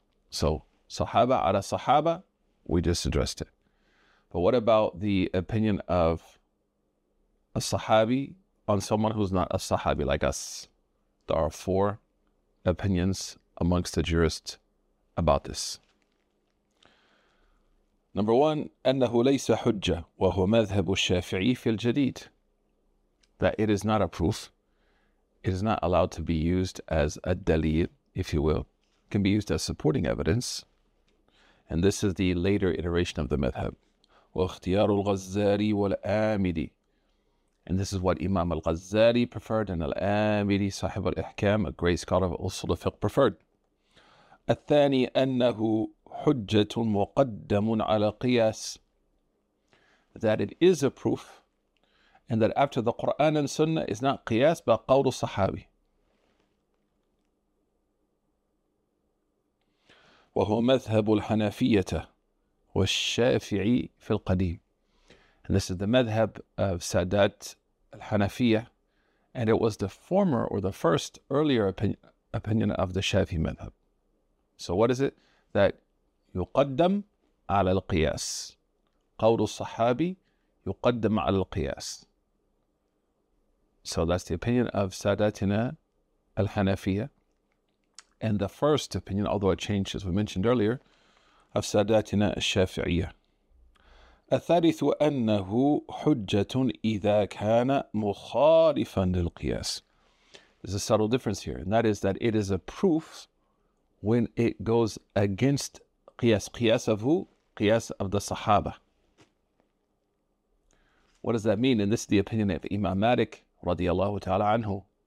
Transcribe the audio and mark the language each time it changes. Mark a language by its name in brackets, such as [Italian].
[English] So sahaba ala sahaba, we just addressed it. But what about the opinion of a sahabi on someone who's not a sahabi like us? There are four opinions amongst the jurists about this. Number one, [Arabic] أنه ليس حجة وهو مذهب الشافعي في الجديد. [English] That it is not a proof. It is not allowed to be used as a dalil, if you will. It can be used as supporting evidence. And this is the later iteration of the madhab. [Arabic] واختيار الغزالي والآمدي. [English] And this is what Imam al-Ghazali preferred, and al-Amidi, sahib al-Ihkam, a great scholar of usul al-fiqh, preferred. [Arabic] الثاني أنه حجة مقدم على قياس. [English] That it is a proof, and that after the Qur'an and Sunnah is not qiyas, but qawlu sahabi. [Arabic] وهو مذهب الحنفية والشافعي في القديم. [English] And this is the madhab of Sadat al-Hanafiyya, and it was the former or the first earlier opinion of the Shafi madhab. So what is it? That [Arabic] يقدم على القياس. قول الصحابي يقدم على القياس. [English] So that's the opinion of Sadatina al-Hanafiyya, and the first opinion, although it changed as we mentioned earlier, of Sadatina al-Shafi'iyya. [Arabic] الثالث أنه حجة إذا كان مخالفا للقياس. [English] There's a subtle difference here, and that is that it is a proof when it goes against قياس. قياس of who? قياس of the صحابة. What does that mean? And this is the opinion of Imam Malik [Arabic] رضي الله تعالى عنه.